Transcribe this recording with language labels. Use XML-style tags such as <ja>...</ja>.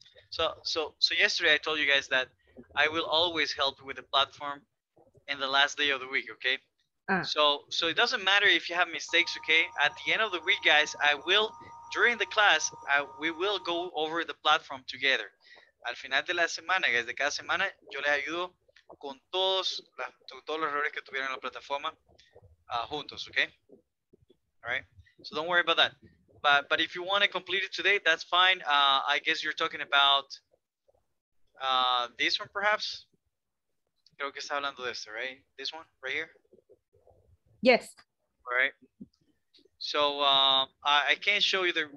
<en>So yesterday I told you guys that I will always help with the platform in the last day of the week. Okay. So it doesn't matter if you have mistakes, okay? At the end of the week, guys, during the class, we will go over the platform together.</en> <es>Al final de la semana, guys, de cada semana, yo les ayudo con todos los errores que tuvieron en la plataforma juntos, okay?</es> <en>All right? So don't worry about that. But if you want to complete it today, that's fine. I guess you're talking about this one, perhaps?</en> <es>Creo que está hablando de esto, right?</es> <en>This one, right here? Yes. Right. So I can't show you the.</en>